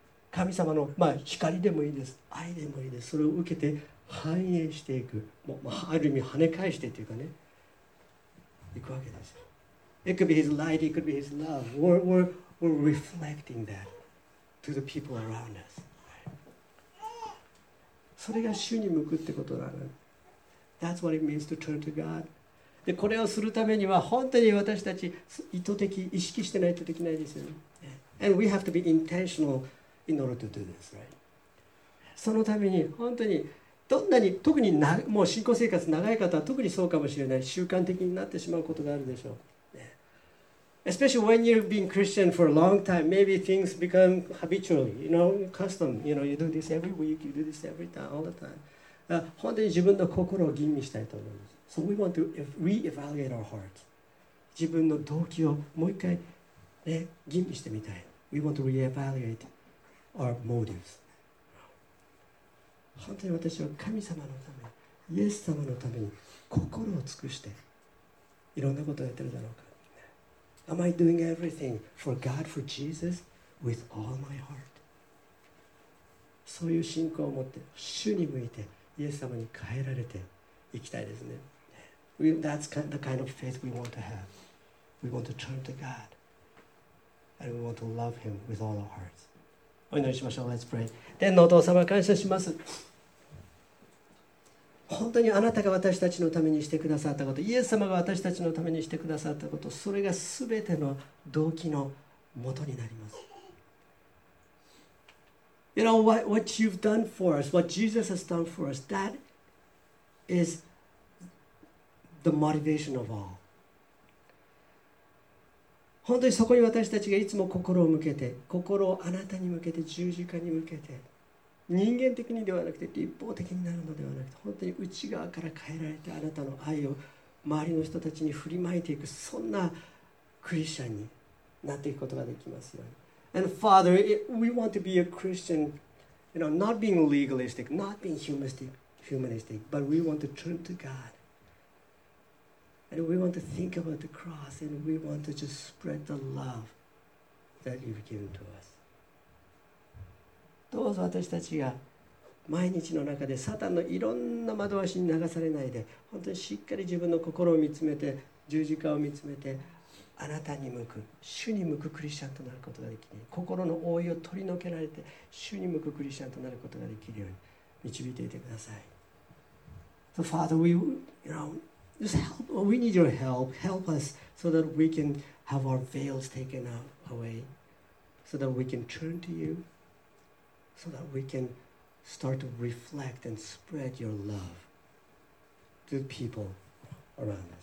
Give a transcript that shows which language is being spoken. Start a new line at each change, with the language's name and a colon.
Japanese: 神様の、まあ、光でもいいです、愛でもいいです、それを受けて反映していく、まあ、ある意味跳ね返してっていうかね、行くわけですよ。
English: It could be his light, it could be his love. We're reflecting that to the people around us.
Japanese: それが主に向くってことなの。
English: That's what it means to turn to God.
Japanese: で、これをするためには本当に私たち意図的、意識してないとできないですよね。
English: And we have to be intentional in order to do this, right?
Japanese: そのために本当にどんなに、特にな、もう信仰生活長い方は特にそうかもしれない。習慣的になってしまうことがあるでしょう。
English: Especially when you've been Christian for a long time, maybe things become habitually, you know, custom. You know, you do this every week, you do this every time, all the time.
Japanese: 本当に自分の心を吟味したいと思います。
English: So we want to re-evaluate our hearts.
Japanese: 自分の動機をもう一回、ね、吟味してみたい。
English: We want to re-evaluate our motives.
Japanese: 本当に私は神様のために、イエス様のために心を尽くして、いろんなことをやってるだろうか。
English: Am I doing everything for God, for Jesus, with all my heart?
Japanese: そういう信仰を持って、主に向いて、イエス様に変えられていきたいですね。
English: That's the kind of faith we want to have. We want to turn to God. And we want to love Him with all our hearts.
Japanese: お祈りしましょう。
English: Let's pray.
Japanese: 天のお父様、感謝します。本当にあなたが私たちのためにしてくださったこと、イエス様が私たちのためにしてくださったこと、それが全ての動機のもとになります。
English: You know, what you've done for us, what Jesus has done for us, that is the motivation of all.
Japanese: 本当にそこに私たちがいつも心を向けて、心をあなたに向けて、十字架に向けて、人間的にではなくて、立法的になるのではなくて、本当に内側から変えられて、あなたの愛を周りの人たちに振りまいていく、そんなクリスチャンになっていくことができますように。
English: And Father, we want to be a Christian, you know, not being legalistic, not being humanistic, but we want to turn to God. And we want to think about the cross, and we want to just spread the love that you've given to us.
Japanese: どうぞ私たちが毎日の中でサタンのいろんな惑わしに流されないで、本当にしっかり自分の心を見つめて、十字架を見つめて、あなたに向く、主に向くクリスチャンとなることができるように、心の覆いを取り除けられて、主に向くクリスチャンとなることができるように導いていてください。
English: So Father, we, you know, just help, we need your help. Help us so that we can have our veils taken away, so that we can turn to you. So that we can start to reflect and spread your love to the people around us.